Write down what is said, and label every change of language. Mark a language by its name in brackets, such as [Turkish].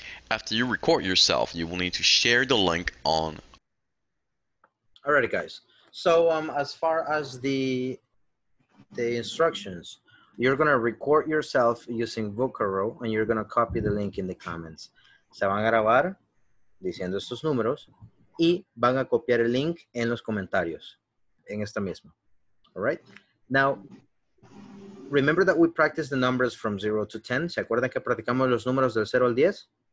[English] After you record yourself, you will need to share the link on. Alrighty, guys. So as far as the instructions, you're going to record yourself using Vocaro and you're going to copy the link in the comments. [Spanish] Se van a grabar diciendo estos números y van a copiar el link en los comentarios en esta misma. [English] All right? Now, remember that we practiced the numbers from 0 to 10. [Spanish] ¿Se acuerdan que practicamos los números del 0 al 10?